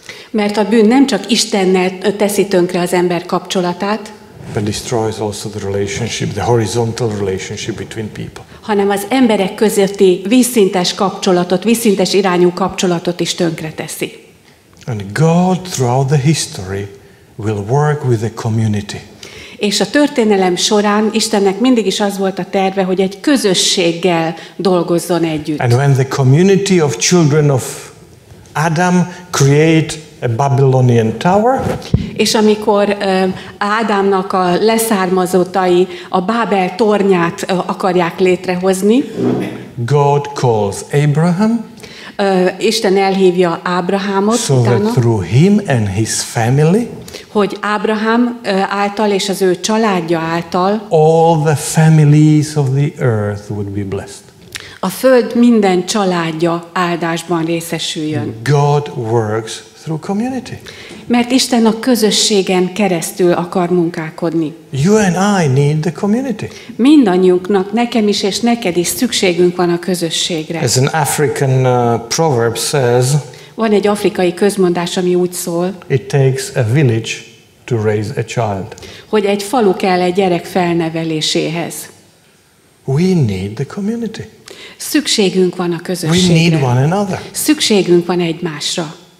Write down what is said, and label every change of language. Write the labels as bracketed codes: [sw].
[hu] Mert a bűn nem csak Istennel teszi tönkre az ember kapcsolatát, [en] but destroys also the relationship, the horizontal relationship between people. [hu] Hanem az emberek közötti vízszintes kapcsolatot, vízszintes irányú kapcsolatot is tönkreteszi. [en] And God throughout the history will work with the community. [hu] És a történelem során Istennek mindig is az volt a terve, hogy egy közösséggel dolgozzon együtt. [en] And when the community of children of Adam create a Babylonian tower. [hu] És amikor Ádámnak a leszármazottai a Bábel tornyát akarják létrehozni. [en] God calls Abraham. [hu] Isten elhívja Ábrahámot. [en] So that through him and his family. [hu] Hogy Ábrahám által és az ő családja által. [en] All the families of the earth would be blessed. [hu] A föld minden családja áldásban részesüljön. [en] God works through community. [hu] Mert Isten a közösségen keresztül akar munkálkodni. [en] You and I need the community. [hu] Mindannyiunknak, nekem is és neked is szükségünk van a közösségre. [en] As an African proverb says, [hu] van egy afrikai közmondás, ami úgy szól, [en] it takes a village to raise a child. [hu] Hogy egy falu kell egy gyerek felneveléséhez. [en] We need the community. [hu] Szükségünk van a közösségre. [en] We need one another. [hu] Szükségünk van egymásra.